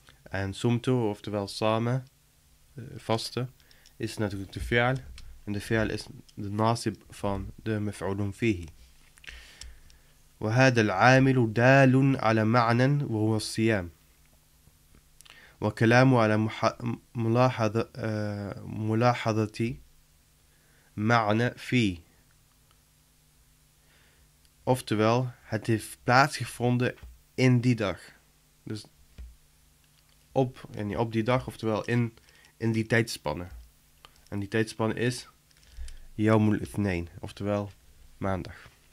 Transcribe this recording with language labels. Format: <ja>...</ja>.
<nl>En somto, oftewel samen, vaste, is natuurlijk de fi'al. En de fi'al is de nasib van de mef'ulun fihi.</nl> <ar>وهذا العامل دال على معنى وهو الصيام. وكلام على ملاحظة معنى في.</ar> <nl>Oftewel, het heeft plaatsgevonden in die dag. Dus op die dag, oftewel in die tijdspanne. En die tijdspanne is Yawmul Ithnain, oftewel maandag.</nl>